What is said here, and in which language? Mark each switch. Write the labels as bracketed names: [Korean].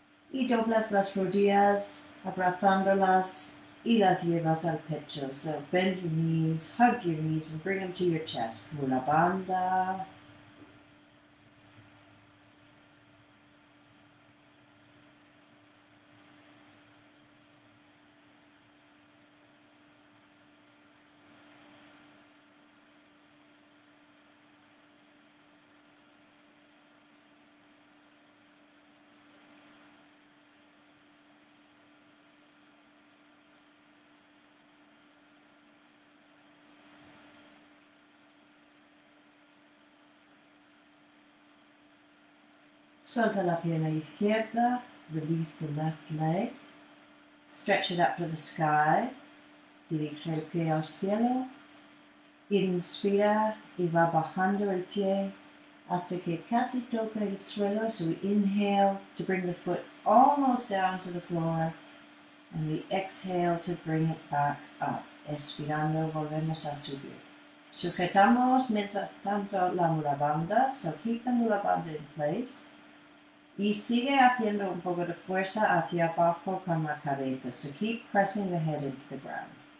[Spanish] Y doblas las rodillas, abrazándolas, y las llevas al pecho. [English] So bend your knees, hug your knees, and bring them to your chest. [Sanskrit] Mula banda. [Spanish] Suelta la pierna izquierda. [English] Release the left leg. Stretch it up to the sky. [Spanish] Dirige el pie al cielo. Inspira y va bajando el pie hasta que casi toca el suelo. [English] So we inhale to bring the foot almost down to the floor. And we exhale to bring it back up. [Spanish] Expirando, volvemos a subir. Sujetamos mientras tanto la mulabanda. [English] So keep the mulabanda in place. [Spanish] Y sigue haciendo un poco de fuerza hacia abajo con la cabeza. [English] So keep pressing the head into the ground.